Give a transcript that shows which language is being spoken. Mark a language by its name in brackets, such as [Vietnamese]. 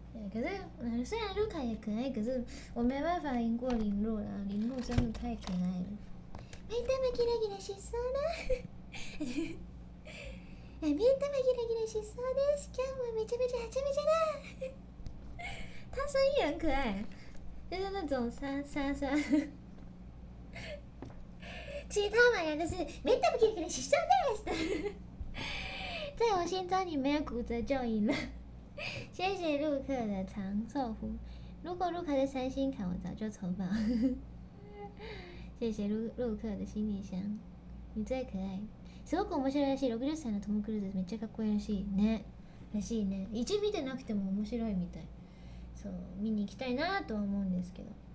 [Chinese] 对，可是虽然卢卡也可爱，可是我没办法赢过林露啦。林露真的太可爱了。 [Japanese] 目玉キラキラしそうだ。目玉キラキラしそうです。今日もめちゃめちゃはちゃめちゃだ。 [Chinese] 他声音很可爱，就是那种沙沙沙。其他嘛呀，就是 [Japanese] 目玉キラキラしそうです。 [Chinese] 在我心中，你没有骨折就赢了。谢谢陆克的长寿符。如果陆克在三星卡，我早就抽爆。谢谢陆克的行李箱，你最可爱。 [Japanese] すごく面白いらしい。 60歳のトム・クルーズめっちゃかっこいいらしいね。らしいね。一見てなくても面白いみたい。そう、見に行きたいなとは思うんですけど。